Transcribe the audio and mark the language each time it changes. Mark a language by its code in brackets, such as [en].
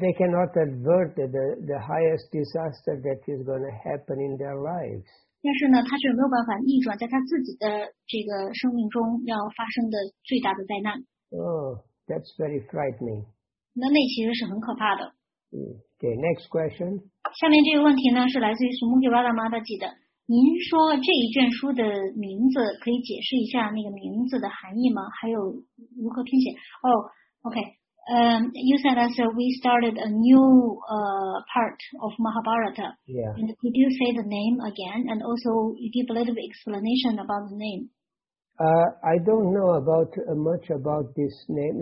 [en] they cannot avert the highest disaster that is going to happen in their lives. [zh] 但是呢，他却没有办法逆转在他自己的这个生命中要发生的最大的灾难。 [en] Oh, that's very frightening. [zh] 那其实是很可怕的。 [en] Okay, next question. [zh] 下面这个问题呢，是来自于苏穆吉巴达妈的记得。您说这一卷书的名字，可以解释一下那个名字的含义吗？还有如何拼写？ [en] Oh, okay. You said that we started a new part of Mahabharata. Yeah. And could you say the name again? And also give a little bit explanation about the name. I don't know about much about this name.